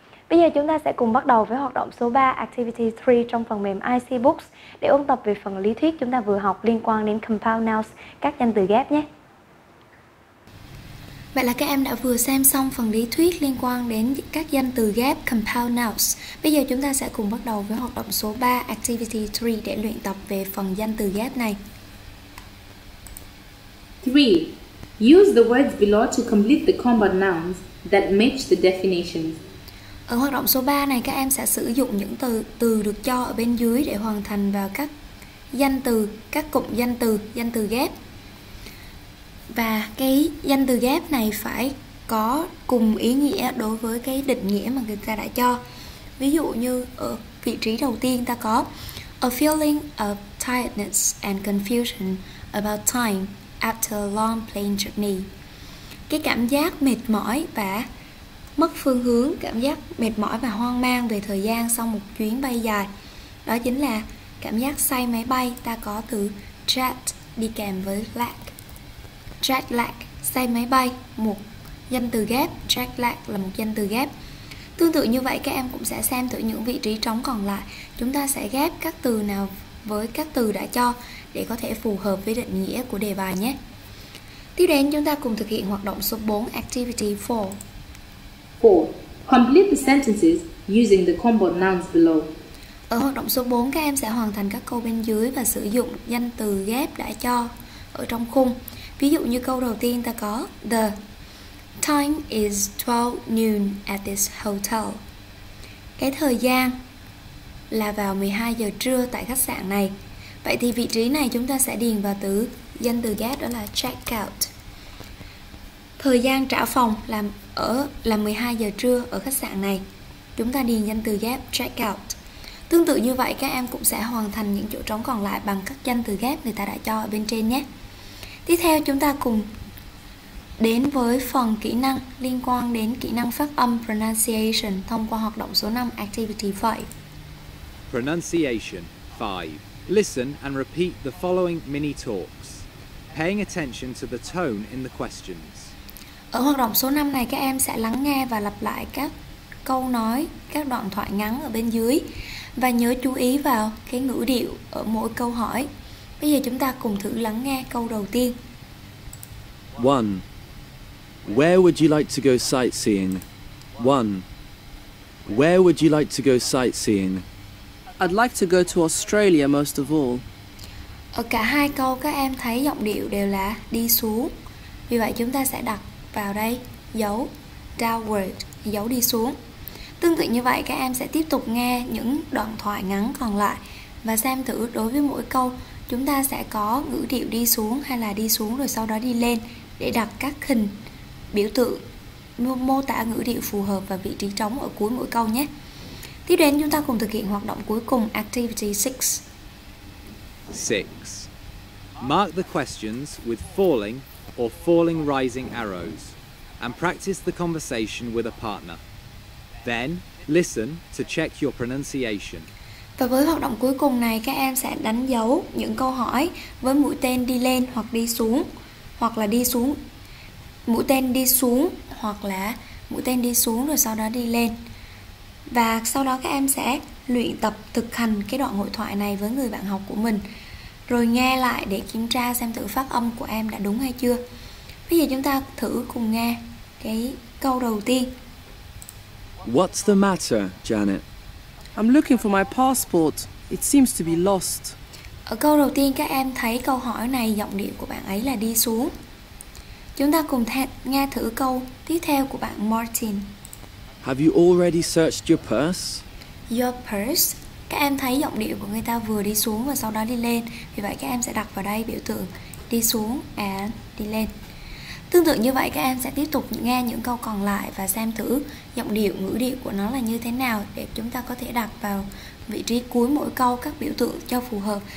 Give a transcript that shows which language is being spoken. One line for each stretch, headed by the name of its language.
Vietnamese: Bây giờ chúng ta sẽ cùng bắt đầu với hoạt động số 3, Activity 3 trong phần mềm IC Books để ôn tập về phần lý thuyết chúng ta vừa học liên quan đến compound nouns, các danh từ ghép nhé. Vậy là các em đã vừa xem xong phần lý thuyết liên quan đến các danh từ ghép compound nouns. Bây giờ chúng ta sẽ cùng bắt đầu với hoạt động số 3, Activity 3 để luyện tập về phần danh từ ghép này. 3.
English: Use the words below to complete the compound nouns that match the definitions.
Vietnamese: Ở hoạt động số 3 này, các em sẽ sử dụng những từ được cho ở bên dưới để hoàn thành vào các danh từ, các cụm danh từ ghép. Và cái danh từ ghép này phải có cùng ý nghĩa đối với cái định nghĩa mà người ta đã cho. Ví dụ như ở vị trí đầu tiên ta có
English: a feeling of tiredness and confusion about time after a long plane journey.
Vietnamese: Cái cảm giác mệt mỏi và mất phương hướng, cảm giác mệt mỏi và hoang mang về thời gian sau một chuyến bay dài. Đó chính là cảm giác say máy bay, ta có từ jet đi kèm với lag. Jet lag, say máy bay, một danh từ ghép. Jet lag là một danh từ ghép. Tương tự như vậy, các em cũng sẽ xem thử những vị trí trống còn lại. Chúng ta sẽ ghép các từ nào với các từ đã cho để có thể phù hợp với định nghĩa của đề bài nhé. Tiếp đến, chúng ta cùng thực hiện hoạt động số 4, Activity 4. 4.
English: Complete the sentences using the compound nouns below.
Vietnamese: Ở hoạt động số 4, các em sẽ hoàn thành các câu bên dưới và sử dụng danh từ ghép đã cho ở trong khung. Ví dụ như câu đầu tiên ta có
English: the time is 12 noon at this hotel.
Vietnamese: Cái thời gian là vào 12 giờ trưa tại khách sạn này. Vậy thì vị trí này chúng ta sẽ điền vào từ danh từ ghép đó là check out. Thời gian trả phòng là 12 giờ trưa ở khách sạn này. Chúng ta điền danh từ ghép check out. Tương tự như vậy, các em cũng sẽ hoàn thành những chỗ trống còn lại bằng các danh từ ghép người ta đã cho ở bên trên nhé. Tiếp theo, chúng ta cùng đến với phần kỹ năng liên quan đến kỹ năng phát âm pronunciation thông qua hoạt động số 5, Activity 5.
English: Pronunciation 5. Listen and repeat the following mini talks, paying attention to the tone in the questions.
Vietnamese: Ở hoạt động số 5 này, các em sẽ lắng nghe và lặp lại các câu nói, các đoạn thoại ngắn ở bên dưới và nhớ chú ý vào cái ngữ điệu ở mỗi câu hỏi. Bây giờ chúng ta cùng thử lắng nghe câu đầu tiên. 1.
English: Where would you like to go sightseeing? 1. Where would you like to go sightseeing? I'd like to go to Australia most of all.
Vietnamese: Ở cả hai câu các em thấy giọng điệu đều là đi xuống. Vì vậy chúng ta sẽ đặt vào đây dấu downward, dấu đi xuống. Tương tự như vậy, các em sẽ tiếp tục nghe những đoạn thoại ngắn còn lại và xem thử đối với mỗi câu chúng ta sẽ có ngữ điệu đi xuống hay là đi xuống rồi sau đó đi lên để đặt các hình biểu tượng mô tả ngữ điệu phù hợp và vị trí trống ở cuối mỗi câu nhé. Tiếp đến, chúng ta cùng thực hiện hoạt động cuối cùng, Activity 6. 6.
English: Mark the questions with falling or falling rising arrows and practice the conversation with a partner. Then listen to check your pronunciation.
Vietnamese: Và với hoạt động cuối cùng này, các em sẽ đánh dấu những câu hỏi với mũi tên đi lên hoặc đi xuống, hoặc là đi xuống, mũi tên đi xuống hoặc là mũi tên đi xuống rồi sau đó đi lên. Và sau đó các em sẽ luyện tập thực hành cái đoạn hội thoại này với người bạn học của mình, rồi nghe lại để kiểm tra xem thử phát âm của em đã đúng hay chưa. Bây giờ chúng ta thử cùng nghe cái câu đầu tiên.
English: What's the matter, Janet? I'm looking for my passport. It seems to be lost.
Vietnamese: Ở câu đầu tiên, các em thấy câu hỏi này giọng điệu của bạn ấy là đi xuống. Chúng ta cùng nghe thử câu tiếp theo của bạn Martin.
English: Have you already searched your purse? Your purse.
Vietnamese: Các em thấy giọng điệu của người ta vừa đi xuống và sau đó đi lên. Vì vậy các em sẽ đặt vào đây biểu tượng đi xuống and đi lên. Tương tự như vậy, các em sẽ tiếp tục nghe những câu còn lại và xem thử giọng điệu, ngữ điệu của nó là như thế nào để chúng ta có thể đặt vào vị trí cuối mỗi câu các biểu tượng cho phù hợp.